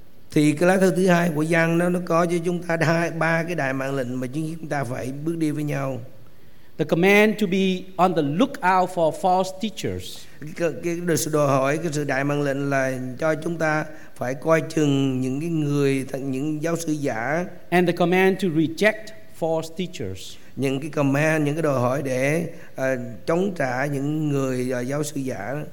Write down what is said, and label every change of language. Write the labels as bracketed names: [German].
[Vietnamese] Thì cái lá thư thứ hai của Giăng nó có cho chúng ta ba cái đại mạng lệnh mà chúng ta phải bước đi với nhau. [English] The command to be on the lookout for false teachers. [Vietnamese] Cái sự đòi hỏi, cái sự đại mạng lệnh là cho chúng ta phải coi chừng những cái người, những giáo sư giả. [English] And the command to reject false teachers. [Vietnamese] Những cái command, những cái đòi hỏi để chống trả những người giáo sư giả.